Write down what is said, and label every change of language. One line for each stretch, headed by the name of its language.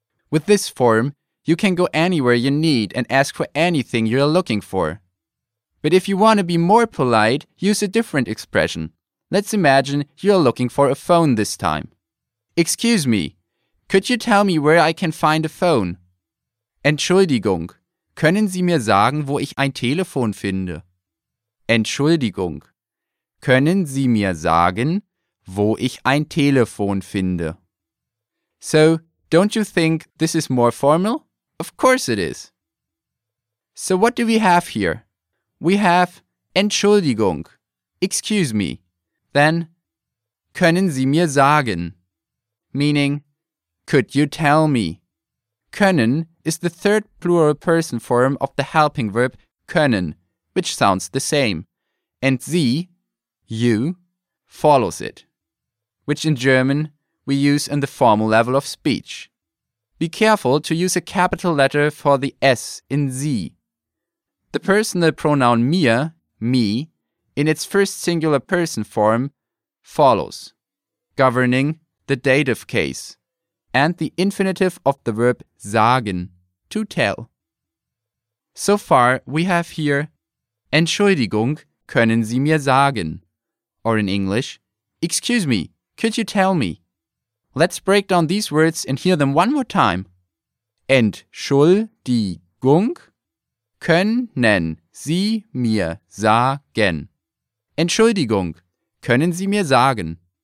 English: With this form, you can go anywhere you need and ask for anything you are looking for. But if you want to be more polite, use a different expression. Let's imagine you are looking for a phone this time. Excuse me, could you tell me where I can find a phone?
German: Entschuldigung, können Sie mir sagen, wo ich ein Telefon finde? Entschuldigung, können Sie mir sagen, wo ich ein Telefon finde?
English: So, don't you think this is more formal? Of course it is. So what do we have here? We have Entschuldigung, excuse me. Then,
German: können Sie mir sagen?
English: Meaning, could you tell me? Können is the third plural person form of the helping verb können, which sounds the same. And Sie, you, follows it, which in German we use in the formal level of speech. Be careful to use a capital letter for the S in Z. The personal pronoun mir, me, in its first singular person form, follows, governing the dative case, and the infinitive of the verb sagen, to tell. So far, we have here,
German: Entschuldigung, können Sie mir sagen?
English: Or in English, excuse me, could you tell me? Let's break down these words and hear them one more time.
German: Entschuldigung, können Sie mir sagen. Entschuldigung, können Sie mir sagen?